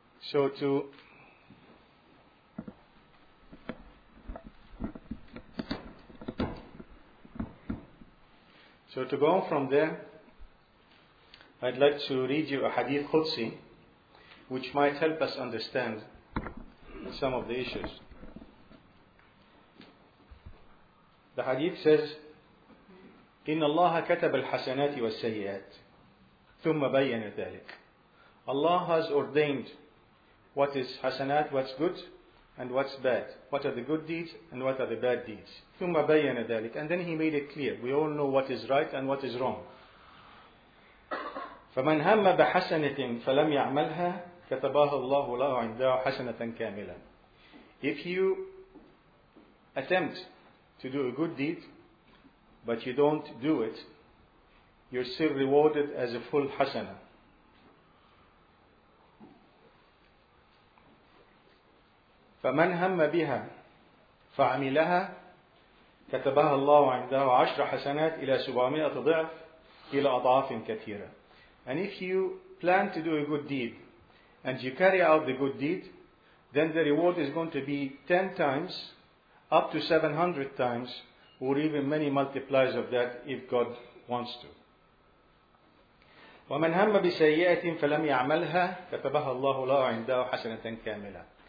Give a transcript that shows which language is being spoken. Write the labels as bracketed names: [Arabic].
[English] So to go on from there, I'd like to read you a hadith Qudsi, which might help us understand some of the issues. The hadith says, [Arabic] إن الله كتب الحسنات والسيئات ثم بين ذلك. [English] Allah has ordained what is hasanat, what's good, and what's bad. What are the good deeds and what are the bad deeds? [Arabic] ثم بين ذلك. [English] And then he made it clear. We all know what is right and what is wrong. [Arabic] فمن هم بحسنة فلم يعملها كتبها الله له عنده حسنة كاملة. [English] If you attempt to do a good deed, but you don't do it, you're still rewarded as a full hasana. [Arabic] فمن هم بها فعملها كتبها الله عنده عشر حسنات إلى سبعمائة ضعف إلى أضعاف كثيرة. [English] And if you plan to do a good deed and you carry out the good deed, then the reward is going to be 10 times up to 700 times, or even many multipliers of that if God wants to. [Arabic] وَمَنْ هَمَّ بِسَيِّئَةٍ فَلَمْ يَعْمَلْهَا كَتَبَهَا اللَّهُ لَهُ عِنْدَهُ حَسَنَةً كَامِلَةً.